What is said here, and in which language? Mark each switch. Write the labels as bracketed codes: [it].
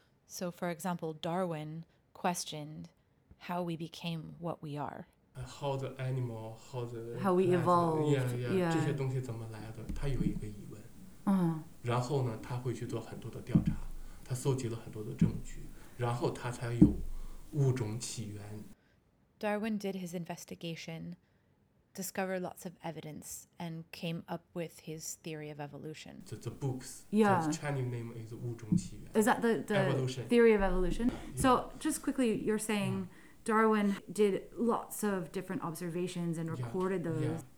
[en] So for example, Darwin questioned how we became what we are. How the animal, how the... How we evolved. Yeah. [zh] 这些东西怎么来的，他有一个疑问。然后呢,他会去做很多的调查,他搜集了很多的证据,然后他才有物种起源。 [en] Darwin did his investigation, discovered lots of evidence, and came up with his theory of evolution. The books, yeah. The Chinese name is 物种起源. Is that the theory of evolution? Yeah. So, just quickly, you're saying Darwin did lots of different observations and recorded those.